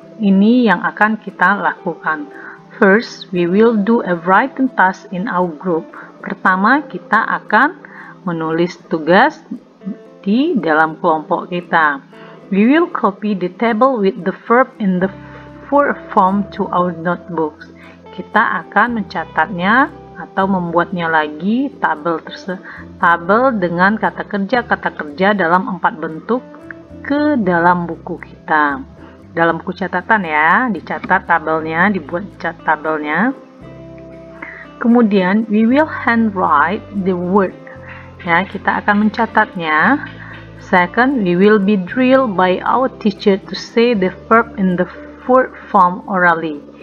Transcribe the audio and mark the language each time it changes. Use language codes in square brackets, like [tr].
[id] Ini yang akan kita lakukan. [en] First, we will do a writing task in our group. [id] Pertama, kita akan menulis tugas di dalam kelompok kita. [en] We will copy the table with the verb in the verb form to our notebooks. [id] Kita akan mencatatnya atau membuatnya lagi tabel tabel dengan kata kerja dalam empat bentuk ke dalam buku kita. Dalam buku catatan ya, dicatat tabelnya, dibuat cat tabelnya. Kemudian, [en] we will handwrite the word. [id] Ya, kita akan mencatatnya. [en] Second, we will be drilled by our teacher to say the verb in the verb form orally.